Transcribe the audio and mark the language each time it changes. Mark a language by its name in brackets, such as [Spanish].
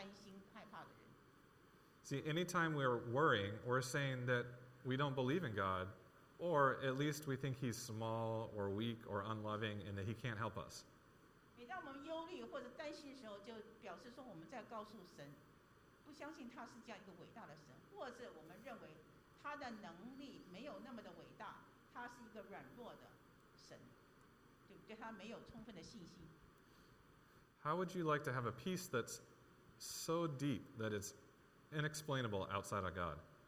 [Chinese] 如果你如果像我的话，你会成为一个所谓的暂时性的无神论者。这什么意思？就是说，你变成常常一个担心、害怕的人。 [English] See, anytime we're worrying, we're saying that we don't believe in God, or at least we think He's small or weak or unloving, and that He can't help us. [Chinese] 每当我们忧虑或者担心的时候，就表示说我们在告诉神，不相信他是这样一个伟大的神，或者我们认为。他的能力没有那么的伟大，他是一个软弱的神，对他没有充分的信心。 [English] How would you like to have a peace that's so deep that it's inexplainable outside of God?